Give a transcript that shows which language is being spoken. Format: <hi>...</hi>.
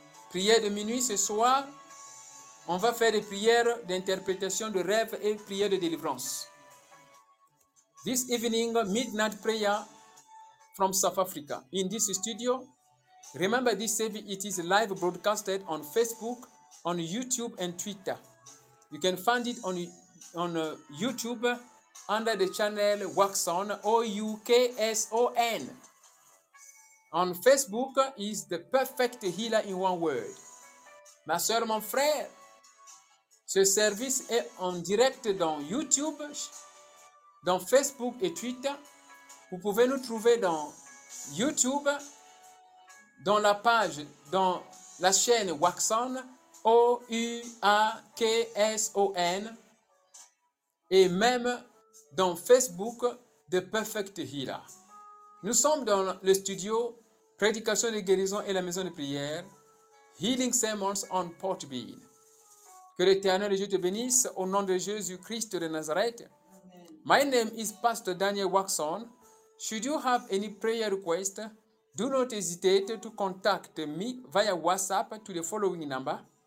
<fr>Prière de minuit, ce soir, on va faire des prières d'interprétation de rêves et prières de délivrance.</fr> <en>This evening, midnight prayer from South Africa. In this studio, remember this service, it is live broadcasted on Facebook, on YouTube and Twitter. You can find it on YouTube under the channel Waxon, O-U-K-S-O-N. On Facebook is the perfect healer in one word.</en> <fr>Ma soeur, mon frère, ce service est en direct dans YouTube, dans Facebook et Twitter. Vous pouvez nous trouver dans YouTube, dans la page, dans la chaîne Waxon, O-U-A-K-S-O-N, et même dans Facebook, The Perfect Healer. Nous sommes dans le studio Prédication de guérison et la maison de prière, Healing Sermons on Port Bean. Que l'Éternel Dieu te bénisse au nom de Jésus-Christ de Nazareth.</fr> <en>My name is Pastor Daniel Waxon. Should you have any prayer request, do not hesitate to contact me via WhatsApp to the following number.</en>